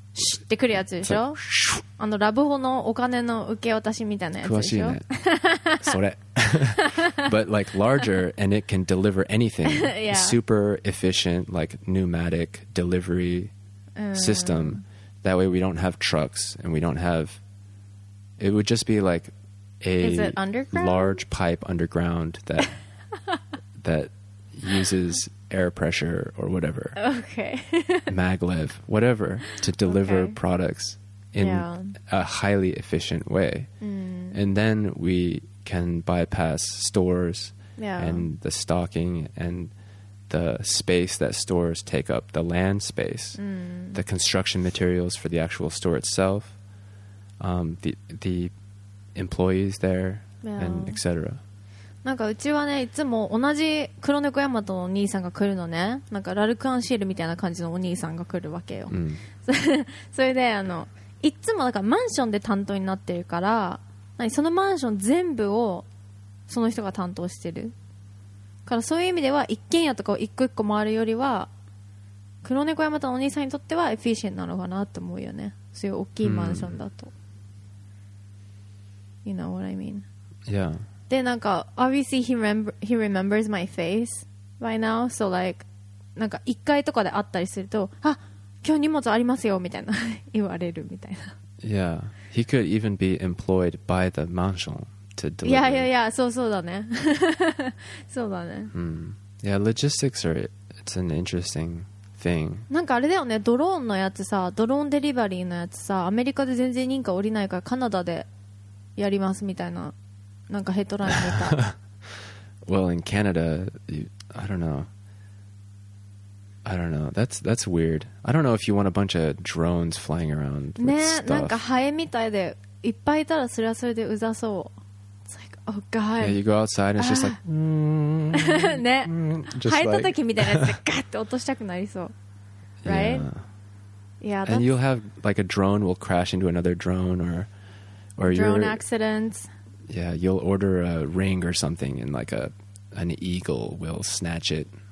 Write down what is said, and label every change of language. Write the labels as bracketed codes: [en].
[ja] シュッてくるやつでしょ、like、あのラブホのお金の受け渡しみたいなやつでしょ詳しいね。それ。 [en] but like larger, and it can deliver anything. Yeah. Super efficient, like pneumatic delivery system. That way we don't have trucks, and we don't have, it would just be like a large pipe underground that that uses air pressure or whatever. Okay. Maglev, whatever, to deliver products in a highly efficient way. And then we can bypass stores and the stocking and the space that stores take up, the land space, the construction materials for the actual store itself, the employees there, and et cetera. [ja] なんかうちはね、いつも同じ黒猫ヤマトのお兄さんが来るのね。なんかラルクアンシールみたいな感じのお兄さんが来るわけよ。それで、あの、いつもなんかマンションで担当になってるから、そのマンション全部をその人が担当してる。からそういう意味では一軒家とかを一個一個回るよりは黒猫山田のお兄さんにとってはエフィシェントなのかなと思うよね。そういう大きいマンションだと、 [en] You know what I mean? Yeah. [ja] でなんか [en] obviously he remembers my face right now. So like [ja] なんか1階とかで会ったりすると、あ、今日荷物ありますよみたいな言われるみたいな。 [en] Yeah, he could even be employed by the mansion to deliver. Yeah, yeah, yeah. So, so だね.So だね. Yeah, logistics are, it's an interesting thing. [ja] なんかあれだよね。ドローンのやつさ、ドローンデリバリーのやつさ、アメリカで全然認可下りないからカナダでやりますみたいな。なんかヘッドライン見た。 [en] Well, in Canada, I don't know. That's weird. I don't know if you want a bunch of drones flying around with stuff. [ja] ね、なんかハエみたいでいっぱいいたらそれはそれでうざそう。 [en] It's like, oh god. Yeah, you go outside and it's just like, [ja] ね、ハエた時みたいなやつガッて落としたくなりそう。 [en] Right? Yeah. And you'll have like a drone will crash into another drone or drone accidents. Yeah, you'll order a ring or something and like an eagle will snatch it.